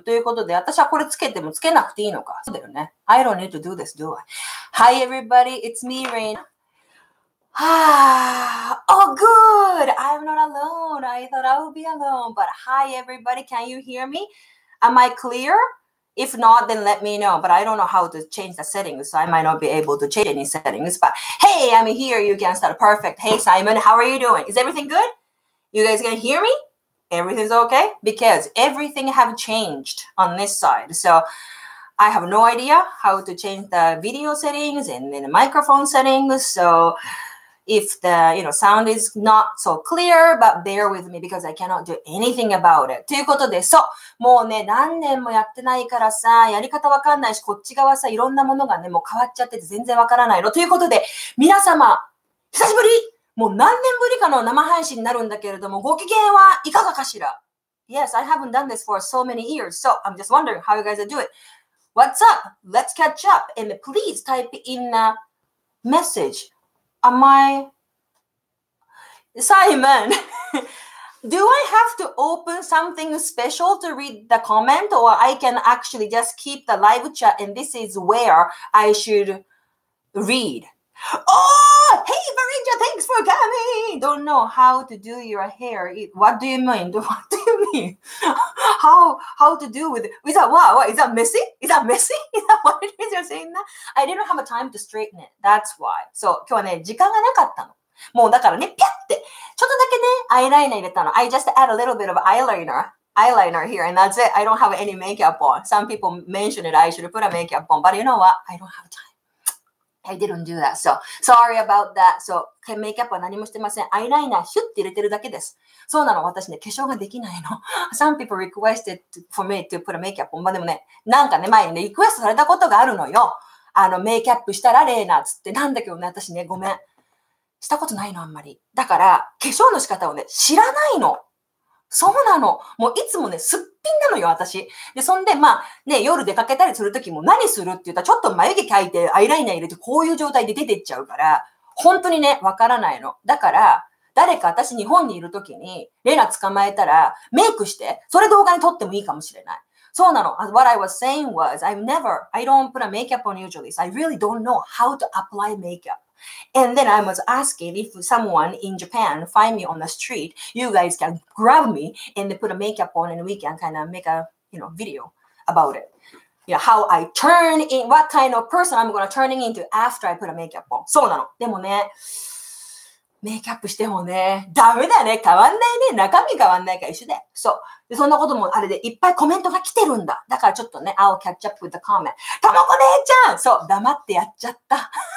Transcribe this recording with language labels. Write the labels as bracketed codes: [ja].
[ja] ということで、私はこれつけてもつけなくていいのか。そうだよね。 [en] I don't need to do this, do I? Hi, everybody. It's me, Rain. Oh, good. I'm not alone. I thought I would be alone. But hi, everybody. Can you hear me? Am I clear? If not, then let me know. But I don't know how to change the settings, so I might not be able to change any settings. But hey, I'm here. You can start. Perfect. Hey, Simon, how are you doing? Is everything good? You guys gonna hear me? Everything's okay because everything have changed on this side. So I have no idea how to change the video settings and then the microphone settings. So if the, you know, sound is not so clear, but bear with me because I cannot do anything about it. [ja] ということで、そう、もうね、何年もやってないからさ、やり方わかんないし、こっち側さ、いろんなものがね、もう変わっちゃってて全然わからないの。ということで、皆様、久しぶり!もう何年ぶりかの生配信になるんだけれども、ご機嫌はいかがかしら? [en] Yes, I haven't done this for so many years, so I'm just wondering how you guys are doing. What's up? Let's catch up and please type in the message. Am I... Simon, do I have to open something special to read the comment or I can actually just keep the live chat and this is where I should read? Oh, hey, Marinja, thanks for coming. Don't know how to do your hair. What do you mean? What do you mean? How to do with it? Is that, wow, what? Is that messy? Is that messy? Is that what it is you're saying that? I didn't have a time to straighten it. That's why. [ja] So, 今日はね、時間がなかったの。もうだからね、ぴゃって。ちょっとだけね、アイライナー入れたの。 [en] I just add a little bit of eyeliner. Eyeliner here, and that's it. I don't have any makeup on. Some people mentioned it. I should put a makeup on. But you know what? I don't have time. I didn't do that, so sorry about that. [ja] So, メイクアップは何もしてません。アイライナーヒュッて入れてるだけです。そうなの、私ね、化粧ができないの。 [en] Some people requested for me to put a makeup on. [ja] まあでもね、なんかね、前にね、リクエストされたことがあるのよ。あの、メイクアップしたらレーナーつって、なんだけどね、私ね、ごめん。したことないの、あんまり。だから、化粧の仕方をね、知らないの。そうなの。もういつもね、すっぴんなのよ、私。で、そんで、まあ、ね、夜出かけたりするときも何するって言ったら、ちょっと眉毛描いて、アイライナー入れて、こういう状態で出てっちゃうから、本当にね、わからないの。だから、誰か私日本にいるときに、レナ捕まえたら、メイクして、それ動画に撮ってもいいかもしれない。そうなの。 [en] What I was saying was, I don't put a makeup on usually, so I really don't know how to apply makeup. And then I was asking if someone in Japan find me on the street, you guys can grab me and put a makeup on and we can kind of make a, you know, video about it. You know, how I turn in, what kind of person I'm going to turn into after I put a makeup on. [ja] そうなの。でもね、メイクアップしてもね、ダメだね。変わんないね。中身変わんないから一緒で。そう。でそんなこともあれでいっぱいコメントが来てるんだ。だからちょっとね、 [en] I'll catch up with the comment. [ja] たまこ姉ちゃん! そう、黙ってやっちゃった。